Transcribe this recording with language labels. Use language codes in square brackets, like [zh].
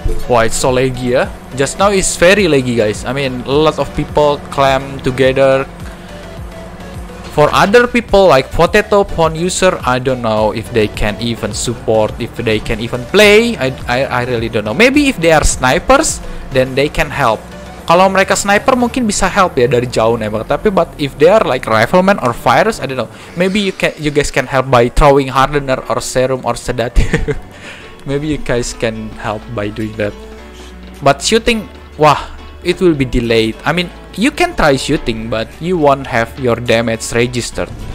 [en] Wah, it's so laggy ya. Just now is very laggy, guys. I mean, a lot of people clam together. For other people like potato pawn user, I don't know if they can even support, if they can even play. I really don't know. Maybe if they are snipers, then they can help. [id] Kalau mereka sniper mungkin bisa help ya dari jauh nembak. [en] Tapi but if they are like rifleman or virus, I don't know. Maybe you guys can help by throwing hardener or serum or sedative. Maybe you guys can help by doing that. But shooting, wah, it will be delayed. I mean, you can try shooting, but you won't have your damage registered.